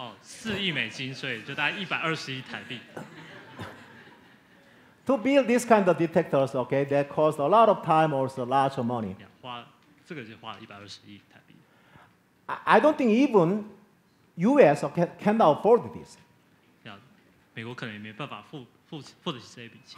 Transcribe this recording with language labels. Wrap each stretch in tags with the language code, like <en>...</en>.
<zh>4亿美金，所以就大概120亿台币。</zh> <en>To build this kind of detectors, okay, that cost a lot of time, also a lot of money.</en> <zh>Yeah, 花这个就花了120亿台币。</zh> <en>I don't think even US can afford this.</en> <zh>美国可能也没办法付得起这一笔钱。</zh>